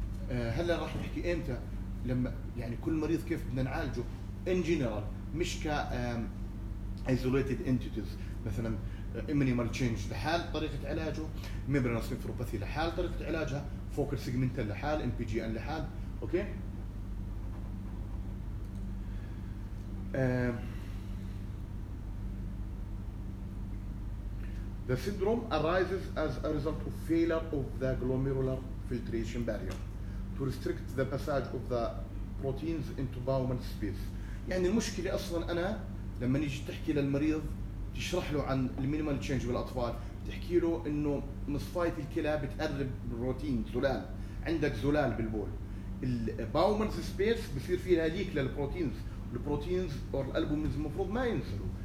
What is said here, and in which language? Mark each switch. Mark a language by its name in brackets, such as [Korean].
[Arabic] هلا راح نحكي امتى لما يعني كل مريض كيف بدنا نعالجه ان جنرال، مش ك ايزوليتد انتيتيز، مثلا امينيمال تشينج لحال طريقه علاجه، ميمبرانس نيفروباثي لحال طريقه علاجها، فوكال سيجمنتال لحال، ام بي جي ان لحال. [English] Okay, the syndrome arises as a result of failure of the glomerular filtration barrier to restrict the passage of the proteins into bowel space. [Arabic] يعني المشكلة أصلاً أنا لما نيجي تحكي للمريض تشرح له عن المينيمال تشينج بالأطفال، تحكي له إنه مصفاية الكلى بتقرب بروتين زلال، عندك زلال بالبول، الباومن سبيس بصير فيها ليك للبروتينز، البروتينز أو الألبومينز المفروض ما ينزلوا.